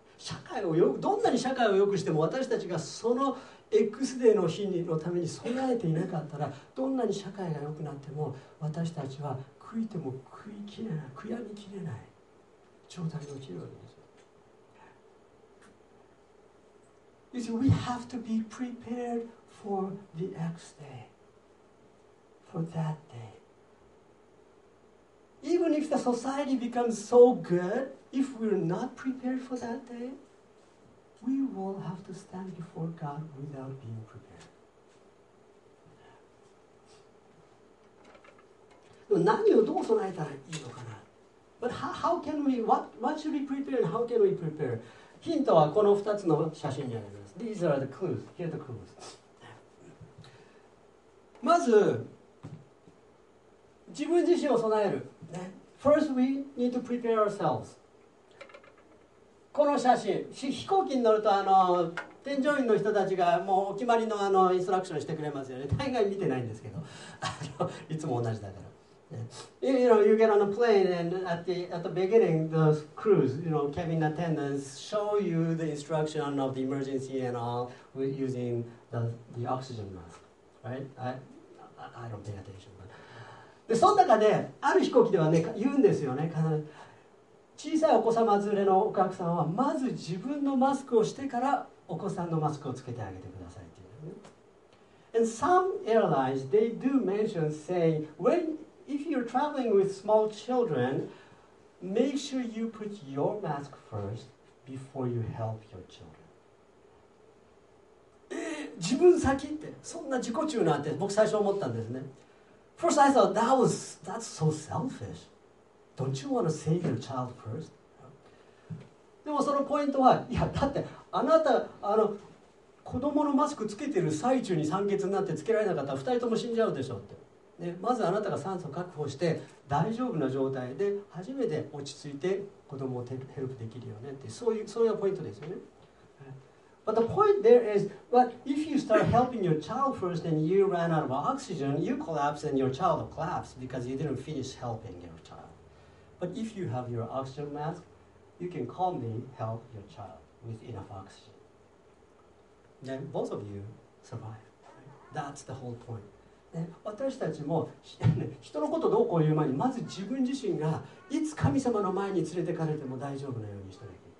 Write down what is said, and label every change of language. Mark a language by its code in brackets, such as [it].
[ja] 社会をよく、どんなに社会を良くしても、私たちがその X デーの日のために備えていなかったら、どんなに社会が良くなっても、私たちは悔いても悔いきれない、悔やみきれない状態に陥るわけですよ。 [en] So、we have to be prepared for the X day, for that day. Even if the society becomes so good, if we're not prepared for that day, we will have to stand before God without being prepared. [ja] でも何をどう備えたらいいのかな? [en] But how can we, what should we prepare and how can we prepare? [ja] ヒントはこの2つの写真にあります。 [en] These are the clues. Here are the clues. [ja] まず、自分自身を備える。 [en] First, we need to prepare ourselves. [ja] この写真、飛行機に乗ると添乗員の人たちがもうお決まりの、インストラクションしてくれますよね。大概見てないんですけど、いつも同じだから。 [en] You know, you get on a plane and at the beginning, the crews, you know, cabin attendants show you the instruction of the emergency and all using the oxygen mask, right? I don't pay attention. [ja] でその中で、ある飛行機ではね、言うんですよね、必ず。小さいお子様連れのお客さんは、まず自分のマスクをしてから、お子さんのマスクをつけてあげてくださいっていう、ね。 [en] And some airlines, they do mention saying, when, if you're traveling with small children, make sure you put your mask first before you help your children. [ja] 自分先って、そんな自己中なんて、僕最初思ったんですね。 [en] First, I thought, that's so selfish. Don't you want to save your child first? [ja] でもそのポイントは、いや、だってあなた、子供のマスクつけてる最中に酸欠になってつけられなかったら二人とも死んじゃうでしょって、ね。まずあなたが酸素確保して大丈夫な状態で初めて落ち着いて子供をヘルプできるよねって、そういうポイントですよね。 [en] But the point there is, but if you start helping your child first and you ran out of oxygen, you collapse and your child collapsed because you didn't finish helping your child. But if you have your oxygen mask, you can calmly help your child with enough oxygen. Then both of you survive. That's the whole point. [ja] 私たちも人のことどうこう言う前に、まず自分自身がいつ神様の前に連れてかれても大丈夫なようにしてね。